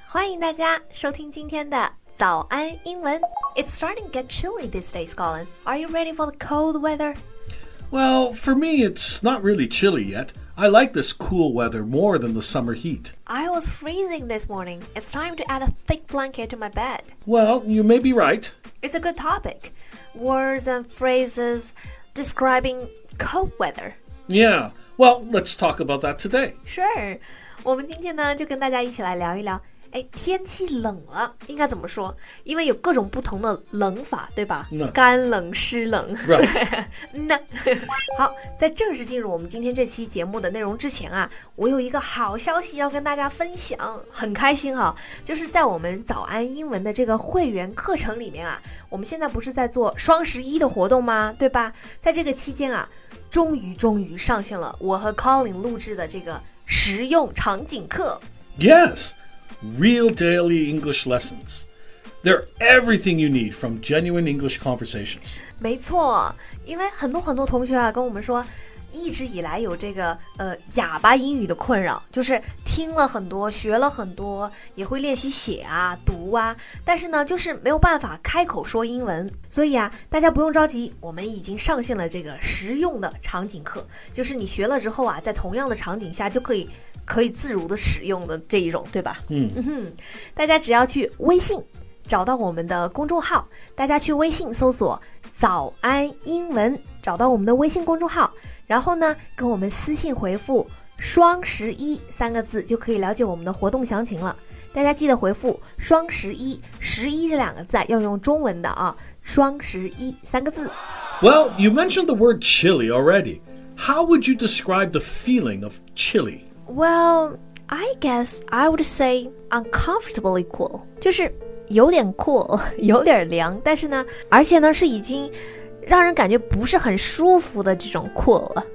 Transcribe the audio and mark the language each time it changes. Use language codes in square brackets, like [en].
[zh] 欢迎大家收听今天的早安英文。 [en] It's starting to get chilly these days, Colin. Are you ready for the cold weather? Well, for me, it's not really chilly yet. I like this cool weather more than the summer heat. I was freezing this morning. It's time to add a thick blanket to my bed. Well, you may be right. It's a good topic. Words and phrases describing cold weather. Yeah. Well, let's talk about that today. Sure. [zh] 我们今天呢就跟大家一起来聊一聊哎，天气冷了，应该怎么说？因为有各种不同的冷法，对吧？ [en] No. [zh] 干冷、湿冷。 [en] Right. [zh] 那好，在正式进入我们今天这期节目的内容之前啊，我有一个好消息要跟大家分享，很开心哈、啊。就是在我们早安英文的这个会员课程里面啊，我们现在不是在做双十一的活动吗？对吧？在这个期间啊，终于上线了我和 Colin 录制的这个实用场景课。 [en] Yes. Real daily English lessons. They're everything you need from genuine English conversations. [zh] 没错，因为很多很多同学啊跟我们说，一直以来有这个哑巴英语的困扰，就是听了很多，学了很多，也会练习写啊、读啊，但是呢，就是没有办法开口说英文。所以啊，大家不用着急，我们已经上线了这个实用的场景课，就是你学了之后啊，在同样的场景下就可以自如的使用的这一种，对吧？大家只要去微信找到我们的公众号，大家去微信搜索早安英文，找到我们的微信公众号，然后呢跟我们私信回复双十一三个字，就可以了解我们的活动详情了。大家记得回复双十一，十一这两个字要用中文的啊，双十一三个字。 [en] Well, you mentioned the word chilly already. How would you describe the feeling of chilly? Well, I guess I would say uncomfortably cool. [zh] 就是有点 cool, 有点凉，但是呢，而且呢，是已经让人感觉不是很舒服的这种 cool 了。